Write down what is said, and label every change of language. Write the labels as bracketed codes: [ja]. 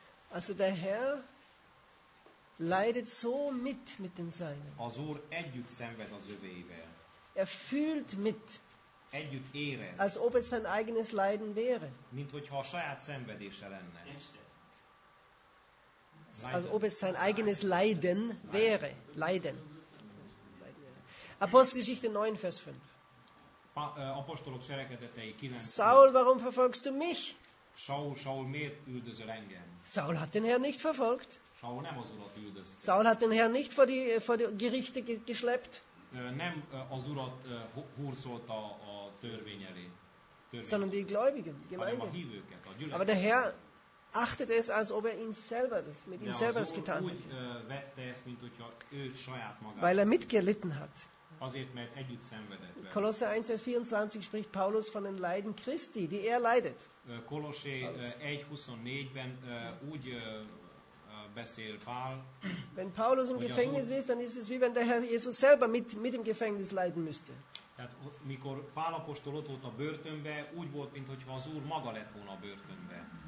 [de] Also der Herr leidet so mit den Seinen. [hu] Az Úr együtt szenved az övéivel. [de] Er fühlt mit. [hu] Együtt érez. [de] Als ob es sein eigenes Leiden wäre. [hu] Mint hogyha a saját szenvedése lenne. [de] Als ob es sein eigenes Leiden wäre. Leiden. Apostelgeschichte 9, Vers 5. [hu] Apostolok cselekedetei 9. [de] Saul, warum verfolgst du mich? [hu] Saul, miért üldözöl engem? [de] Saul hat den Herrn nicht verfolgt. [hu] Saul nem az urat üldözte. [de] Saul hat den Herrn nicht vor die Gerichte geschleppt. [hu] Nem az urat hurcolta a törvény elé. [de] Sondern die Gläubigen, die Gemeinde. [hu] Hanem a hívőket, a gyülekezet. [de] Aber der Herr achtet es, als ob er ihn selber das mit ihm selber es getan hätte. [hu] Vette ezt, mint hogyha őt saját magát. [de] Weil er mitgelitten hat. [hu] Azért, mert együtt szenvedett vele. [de] Kolosser 1, Vers 24 spricht Paulus von den Leiden Christi, die er leidet. [hu] Kolossé 1:24-ben úgy beszél Pál. [de] Wenn Paulus im Gefängnis ist, dann ist es wie wenn der Herr Jesus selber mit im Gefängnis leiden müsste. [hu] Tehát mikor Pál apostol ott volt a börtönbe, úgy volt, mint hogyha az Úr maga lett volna a börtönbe.